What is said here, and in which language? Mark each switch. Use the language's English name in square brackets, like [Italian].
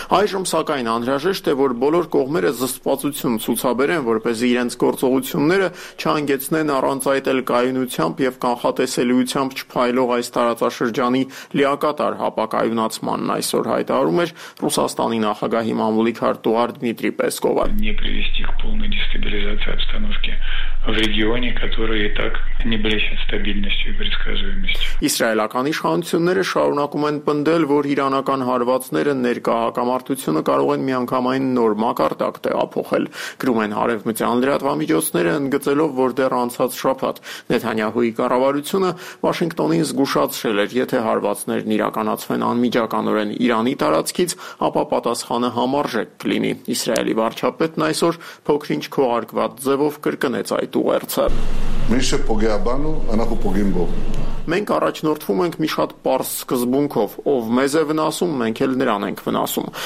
[Armenian] Այժմ, սակայն, անհրաժեշտ է, որ բոլոր կողմերը զսպվածություն ցուցաբերեն, որպեսզի իրենց գործողությունները չանգեցնեն առանց այդ էլ կայունությամբ և կանխատեսելիությամբ չփայլող այս տարածաշրջանի լիակատար հապակայունացմանն, այսօր հայտարարում էր Ռուսաստանի նախագահի մամուլի քարտուղար Դմիտրի Պեսկով։ [Russian] Не привести к полной дестабилизации обстановки в регионе, который и так не блещет стабильностью и предсказуемостью. [Armenian] Իսրայելական իշխանությունները շարունակում են պնդել, որ իրանական հարվածները ներկա հակամարտությունը կարող են միանգամայն նոր մակարդակ տեղափոխել, գրում են արևմտյան լրատվամիջոցները, ընդգծելով, որ դեռ անցած շաբաթ Նետանյահուի կառավարությունը Վաշինգտոնին զգուշացրել էր, եթե հարվածներն իրականացվեն անմիջականորեն Իրանի տարածքից, ապա պատասխանը համարժեք կլինի։ Իսրայելի վարչապետն այսօր փոքրինչ քողարկված ձևով կրկնեց այդ ուղերձը։ Մենք առաջնորդվում ենք մի շատ պարզ սկզբունքով, ով մեզ է վնասում, մենք էլ նրան ենք վնասում։